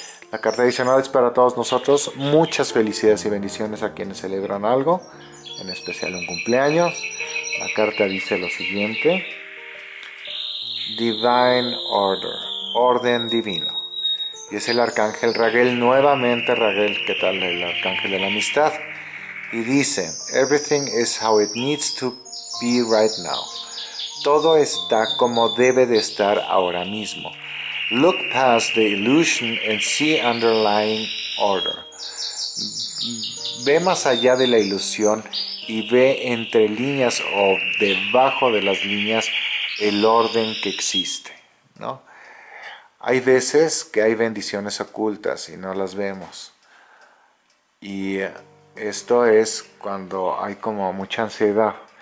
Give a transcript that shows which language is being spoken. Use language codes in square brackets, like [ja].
[es] La carta adicional es para todos nosotros. Muchas felicidades y bendiciones a quienes celebran algo, en especial un cumpleaños. La carta dice lo siguiente: Divine Order, orden divino. Y es el arcángel Raguel, nuevamente Raguel, ¿qué tal? El arcángel de la amistad. Y dice: [en] Everything is how it needs to be right now. [es] Todo está como debe de estar ahora mismo. [en] Look past the illusion and see underlying order. [es] Ve más allá de la ilusión y ve entre líneas o debajo de las líneas el orden que existe, ¿no? Hay veces que hay bendiciones ocultas y no las vemos. Y esto es cuando hay como mucha ansiedad.